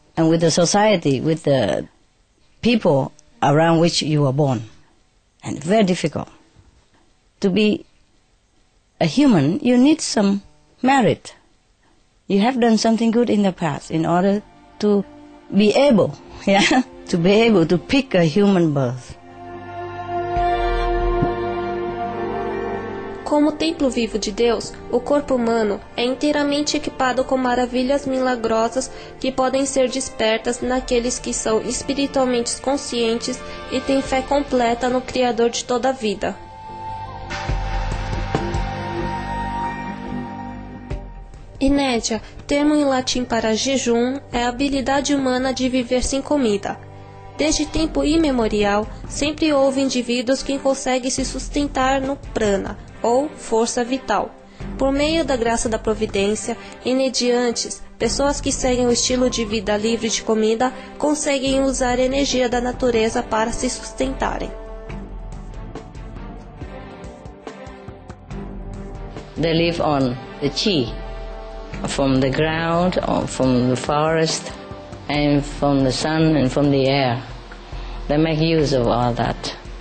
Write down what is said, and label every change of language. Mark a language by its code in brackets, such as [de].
[en] And with the society, with the people around which you were born. And very difficult. To be a human, you need some merit. You have done something good in the past in order to be able, yeah? To be able to pick a human birth. [pt] Como templo vivo de Deus, o corpo humano é inteiramente equipado com maravilhas milagrosas que podem ser despertas naqueles que são espiritualmente conscientes e têm fé completa no Criador de toda a vida. Inédia, termo em latim para jejum, é a habilidade humana de viver sem comida. Desde tempo imemorial, sempre houve indivíduos que conseguem se sustentar no prana, ou força vital. Por meio da graça da providência, inediantes, pessoas que seguem o estilo de vida livre de comida, conseguem usar a energia da natureza para se sustentarem. [en] They live on the chi, from the ground, from the forest, and from the sun and from the air. They make use of all that.